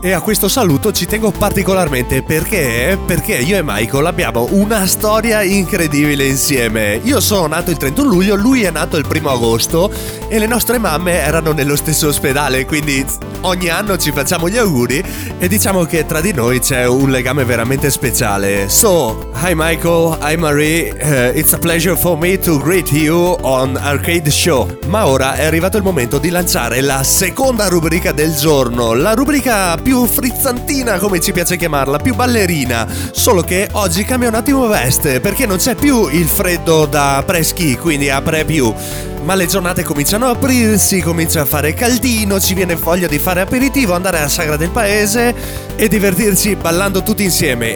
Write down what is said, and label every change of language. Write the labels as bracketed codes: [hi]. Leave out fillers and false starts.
[it] E a questo saluto ci tengo particolarmente perché io e Michael abbiamo una storia incredibile insieme. Io sono nato il 31 luglio, lui è nato il 1 agosto e le nostre mamme erano nello stesso ospedale, quindi ogni anno ci facciamo gli auguri e diciamo che tra di noi c'è un legame veramente speciale. [en] So, hi Michael, hi Marie, it's a pleasure for me to greet you on Arcade Show. [it] Ma ora è arrivato il momento di lanciare la seconda rubrica del giorno, la rubrica più frizzantina, come ci piace chiamarla, più ballerina. Solo che oggi cambia un attimo veste, perché non c'è più il freddo da pre-ski, quindi a pre-più. Ma le giornate cominciano ad aprirsi, comincia a fare caldino, ci viene voglia di fare aperitivo, andare alla sagra del paese e divertirci ballando tutti insieme.